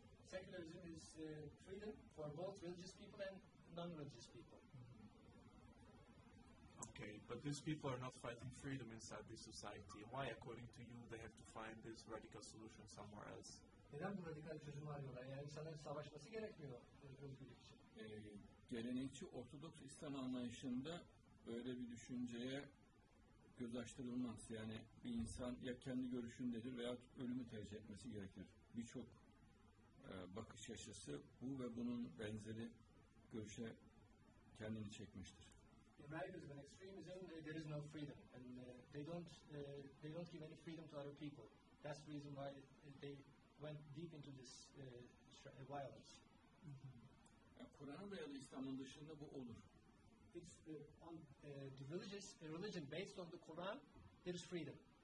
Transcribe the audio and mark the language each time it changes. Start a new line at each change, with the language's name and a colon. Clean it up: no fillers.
English: Secularism is freedom for both religious people and non-religious people. Okay, but these people are not fighting freedom inside this society. Why, according to you, they have to find this radical solution somewhere else?
Turkish: Neden bu radikal çözüm arıyorlar? Yani insanların savaşması gerekmiyor özgürlük için. Gelenekçi Ortodoks İslam anlayışında böyle bir düşünceye göz açtırılmaz. Yani bir insan ya kendi görüşündedir veya ölümü tercih etmesi gerekir. Birçok bakış açısı bu ve bunun benzeri görüşe kendini çekmiştir.
English: Americanism and extremism, there is no freedom. And they don't give any freedom to other people. That's the reason why they went deep into this violence.
Turkish: Mm-hmm. Kur'an'a dayalı İslam'ın dışında bu olur.
English: It's the religious religion based on the Quran, there is freedom.